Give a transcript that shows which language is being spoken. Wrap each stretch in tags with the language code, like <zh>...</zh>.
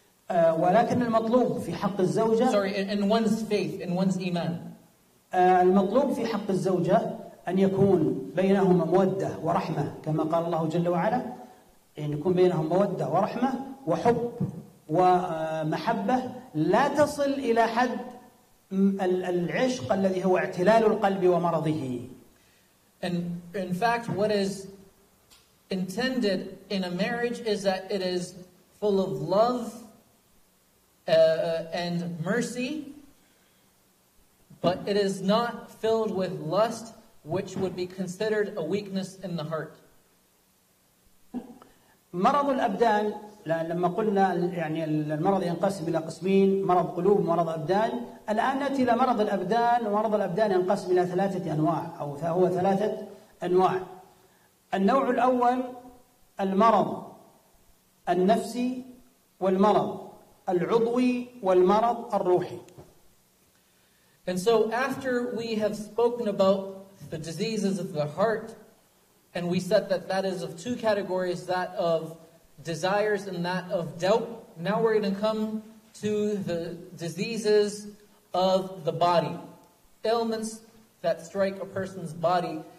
<ar>ولكن المطلوب في حق الزوجة.</ar> <en>Sorry, in one's faith, in one's iman.</en> <ar>المطلوب في حق الزوجة أن يكون بينهما مودة ورحمة كما قال الله جل وعلا أن يكون بينهم مودة ورحمة وحب ومحبة لا تصل إلى حد العشق الذي هو اعتلال القلب ومرضه.</ar> <en>And in fact, what is intended in a marriage is that it is full of love and mercy, but it is not filled with lust, which would be considered a weakness in the heart.</en> <ar>مرض الأبدان لما قلنا يعني المرض ينقسم إلى قسمين مرض قلوب مرض أبدان الآن نأتي إلى مرض الأبدان ومرض الأبدان ينقسم إلى ثلاثة أنواع أو هو ثلاثة أنواع النوع الأول المرض النفسي والمرض العضوي والمرض الروحي.</ar> <en>And so after we have spoken about the diseases of the heart, and we said that that is of two categories, that of desires and that of doubt, now we're going to come to the diseases of the body, ailments that strike a person's body.</en>